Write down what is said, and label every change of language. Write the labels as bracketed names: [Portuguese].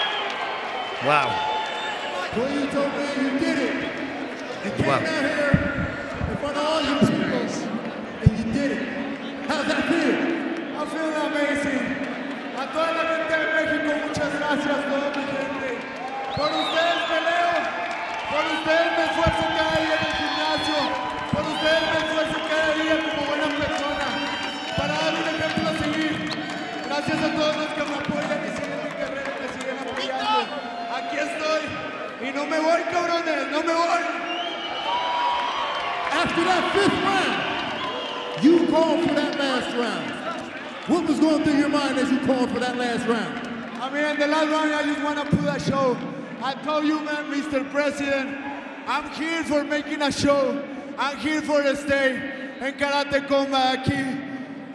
[English] Wow. Well, you told me you did it. You came out here in front of all your peoples, and you did it. How's that feel? I'm feeling amazing. [Spanish] A toda la gente de México, muchas gracias, todo mi gente. Por ustedes peleo, por ustedes me esfuerzo cada día en el gimnasio, por ustedes me esfuerzo cada día como buena persona, para dar un ejemplo a seguir. Gracias a todos los que me apoyan y siguen mi carrera, me siguen apoyando. Aquí estoy, y no me voy, cabrones, no me voy. [English] After that fifth round, you called for that last round. What was going through your mind as you called for that last round? I mean, the last round, I just want to put a show. I told you, man, Mr. President, I'm here for making a show. I'm here for the stay in Karate Combat aquí.